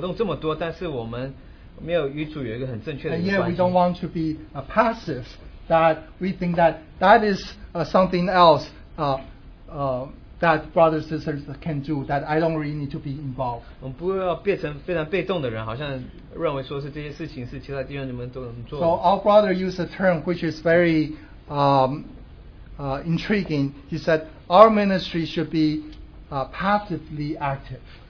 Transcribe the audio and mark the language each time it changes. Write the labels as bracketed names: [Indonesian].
[Chinese] 我们不希望处在一个光景里面，是我们活动这么多，但是我们没有与主有一个很正确的关系。 [English] And yet we don't want to be passive, that we think that is something else that brothers and sisters can do, that I don't really need to be involved. [Chinese] 我们不要变成非常被动的人，好像认为说是这些事情是其他弟兄你们都能做。 [English] So our brother used a term which is very intriguing. He said our ministry should be passively active.